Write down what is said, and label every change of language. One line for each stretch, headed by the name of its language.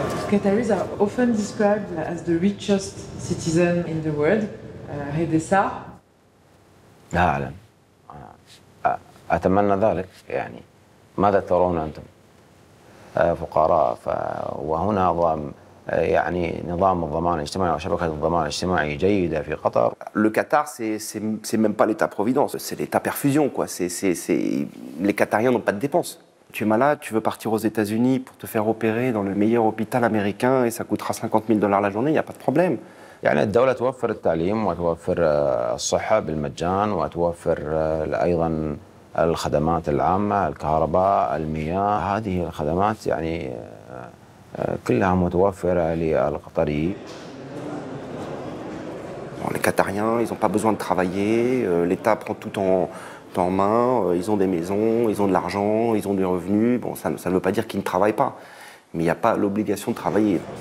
English: Qataris are often described as the richest citizen in the world. Hedessa.
Arabic: لا أعلم أتمنى ذلك يعني ماذا ترون أنتم فقراء وهنا يعني نظام الضمان الاجتماعي وشبكة الضمان الاجتماعي جيدة في قطر.
French: Le Qatar c'est même pas l'État providence, c'est l'État perfusion quoi. C'est les Qatariens n'ont pas de dépenses. Tu es malade, tu veux partir aux États-Unis pour te faire opérer dans le meilleur hôpital américain et ça coûtera 50 000 $ la journée, il y a pas de problème.
Arabic: يعني الدولة توفر التعليم وتوفر الصحة بالمجان وتوفر أيضا الخدمات العامة الكهرباء المياه هذه الخدمات يعني كلها متوفرة للقطري.
French: Bon, les Qatariens ils ont pas besoin de travailler, l'État prend tout en main, ils ont des maisons, ils ont de l'argent, ils ont des revenus. Bon, ça ne veut pas dire qu'ils ne travaillent pas, mais il n'y a pas l'obligation de travailler.